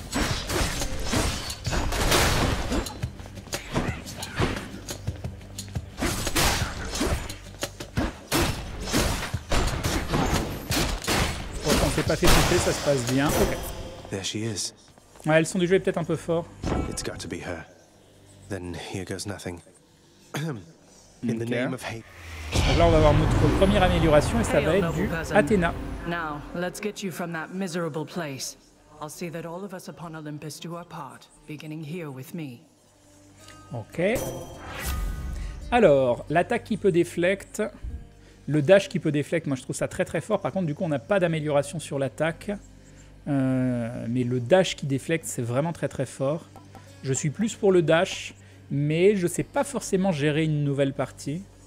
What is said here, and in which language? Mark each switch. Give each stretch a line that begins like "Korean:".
French: Oh, on s'est pas fait tuer, ça se passe bien. Okay.
English: There she is.
French: Ouais, le son du jeu est peut-être un peu fort.
English: It's got to be her. Then here goes nothing.
French: Okay. Là, on va avoir notre première amélioration et ça va être du Athéna.
English: Now, let's get you from that miserable place. I'll see that all of us upon Olympus do our part, beginning here with me.
French: Ok. Alors, l'attaque qui peut déflect, le dash qui peut déflect, moi je trouve ça très très fort. Par contre, du coup, on n'a pas d'amélioration sur l'attaque. Mais le dash qui déflect, c'est vraiment très très fort. Je suis plus pour le dash. Mais je sais pas forcément gérer une nouvelle partie.